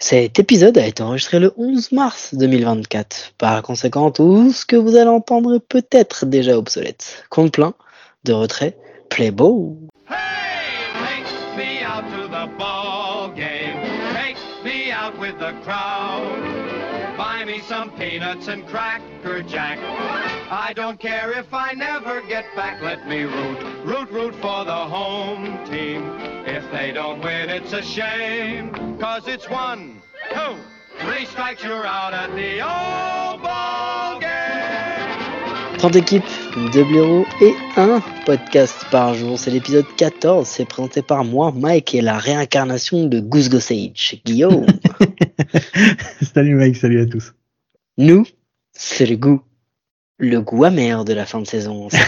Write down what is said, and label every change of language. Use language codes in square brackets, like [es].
[fr] Cet épisode a été enregistré le 11 mars 2024. Par conséquent, tout ce que vous allez entendre est peut-être déjà obsolète. Compte plein de retrait, [en] play ball. Hey, take me out to the ball game. Take me out with the crowd. Buy me some peanuts and cracker jack. I don't care if I never get back. Let me root, root, root for the home team. If they don't win, it's a shame. Cause it's one, two, three strikes, you're out at the old ball game. [fr] 30 équipes, 2 blaireaux et 1 podcast par jour. C'est l'épisode 14. C'est présenté par moi, Mike, et la réincarnation de Goose Gossage, Guillaume. Salut Mike, salut à tous. Nous, c'est le goût amer de la fin de saison.